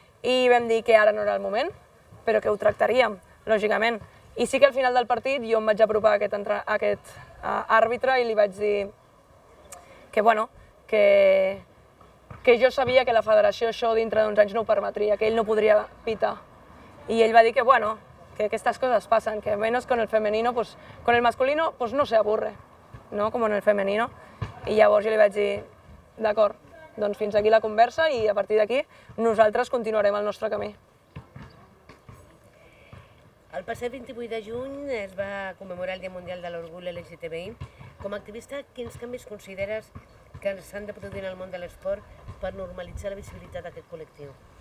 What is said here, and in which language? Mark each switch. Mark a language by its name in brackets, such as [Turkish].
[Catalan] I vam dir que ara no era el moment, però que ho tractaríem, lògicament. I sí que al final del partit jo em vaig apropar a aquest àrbitre i li vaig dir que, bueno, que jo sabia que la federació això dintre d'uns anys no ho permetria, que ell no podria pitar. I ell va dir que, bueno, que aquestes coses passen, que [Spanish] menos con el femenino, pues, con el masculino, pues no se aburre, no? Como en el femenino. [Catalan] I llavors jo li vaig dir, d'acord, doncs fins aquí la conversa i a partir d'aquí nosaltres continuarem el nostre camí. El passat 28 de juny es va commemorar el Dia Mundial de l'Orgull LGTBI. Com a activista, quins canvis consideres que s'han de produir en el món de l'esport per normalitzar la visibilitat d'aquest col·lectiu?